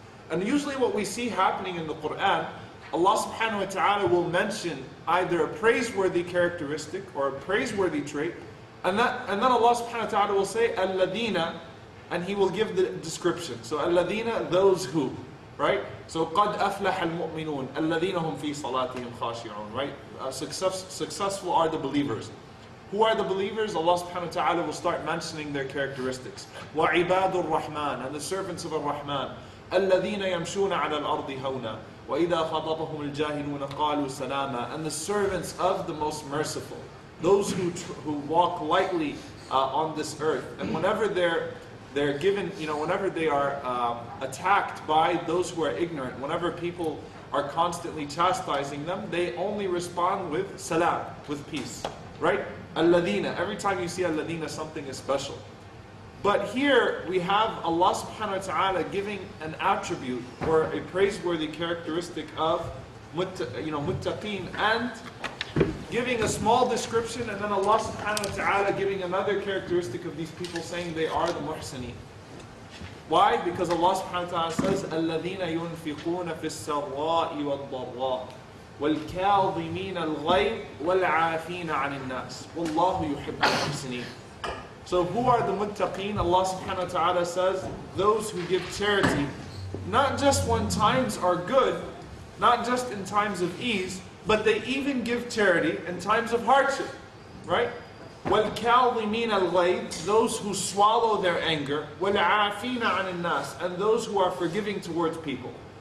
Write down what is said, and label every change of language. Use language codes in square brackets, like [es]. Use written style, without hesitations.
[en] And usually what we see happening in the Qur'an, Allah subhanahu wa ta'ala will mention either a praiseworthy characteristic or a praiseworthy trait, and then Allah subhanahu wa ta'ala will say, al-ladina, and he will give the description. So al-ladina, those who, right? [ar] So قَدْ أَفْلَحَ الْمُؤْمِنُونَ الَّذِينَ هُمْ فِي صَلَاتِهِمْ خَاشِعُونَ, right? [en] Successful are the believers. Who are the believers? Allah subhanahu wa ta'ala will start mentioning their characteristics. وَعِبَادُ الرَّحْمَانِ, and the servants of Ar-Rahman. [ar] الَّذِينَ يَمْشُونَ عَلَى الْأَرْضِ هَوْنَا وَإِذَا خَطَبَهُمُ الْجَاهِلُونَ قَالُوا سَلَامًا, and the servants of the most merciful. [en] Those who walk lightly on this earth. And whenever they're given, you know, whenever they are attacked by those who are ignorant, whenever people are constantly chastising them, they only respond with salam, with peace. Right? Al-Ladina. Every time you see Al-Ladina, something is special. But here we have Allah subhanahu wa ta'ala giving an attribute or a praiseworthy characteristic of muttaqeen, and giving a small description, and then Allah subhanahu wa ta'ala giving another characteristic of these people, saying they are the muhsineen. Why? [ar] Because Allah subhanahu wa ta'ala says, الَّذِينَ يُنْفِقُونَ فِي السَّرَّاءِ وَالضَّرَّاءِ وَالْكَاظِمِينَ الْغَيْبِ وَالْعَافِينَ عَنِ النَّاسِ وَاللَّهُ يُحِبُّ الْمُحْسِنِينَ. [en] So who are the muttaqeen? Allah subhanahu wa ta'ala says, those who give charity, not just when times are good, not just in times of ease, but they even give charity in times of hardship, right? وَالْكَاظِمِينَ الْغَيْبِ, those who swallow their anger, وَالْعَافِينَ عَنِ النَّاسِ, and those who are forgiving towards people.